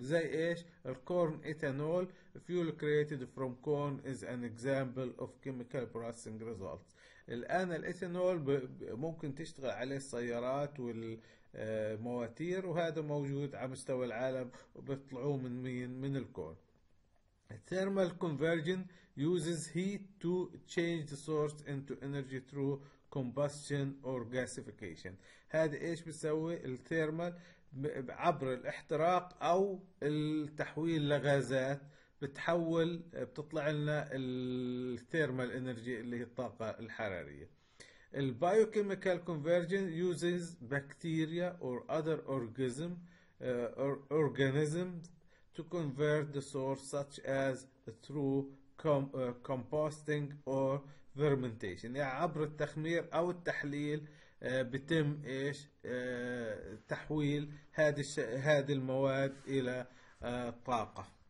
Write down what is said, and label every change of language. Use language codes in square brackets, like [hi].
[ar] زي ايش؟ [en] الكورن ethanol fuel created from corn is an example of chemical processing results. [ar] الان الايثانول ممكن تشتغل عليه السيارات والمواتير، وهذا موجود على مستوى العالم وبيطلعوه من مين؟ من الكورن. [en] Thermal conversion uses heat to change the source into energy through combustion or gasification. [ar] هذا ايش بيسوي؟ الثيرمال عبر الاحتراق او التحويل لغازات بتحول، بتطلع لنا الثيرمال انرجي اللي هي الطاقة الحرارية. [en] البايوكيميكال conversion uses bacteria or other organism organisms to convert the source such as through composting or fermentation. [ar] يعني عبر التخمير او التحليل بتم ايش؟ تحويل هذه المواد الى طاقة.